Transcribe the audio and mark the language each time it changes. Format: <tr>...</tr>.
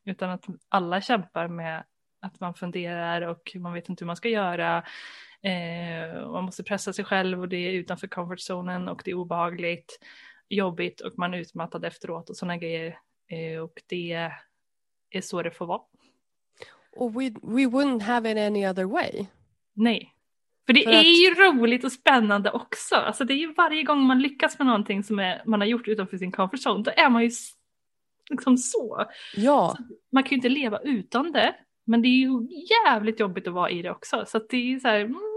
<sv>Utan att alla kämpar med att man funderar och man vet inte hur man ska göra. Man måste pressa sig själv och det är utanför comfortzonen och det är obehagligt, jobbigt och man är utmattad efteråt och sådana grejer. Och det är så det får vara. Och</sv> <en>we wouldn't have it any other way.</en> <sv>Nej. För det är ju roligt och spännande också. Alltså det är ju varje gång man lyckas med någonting som man har gjort utanför sin comfort zone. Då är man ju liksom så. Ja. Så man kan ju inte leva utan det. Men det är ju jävligt jobbigt att vara i det också. Så att det är så här.</sv>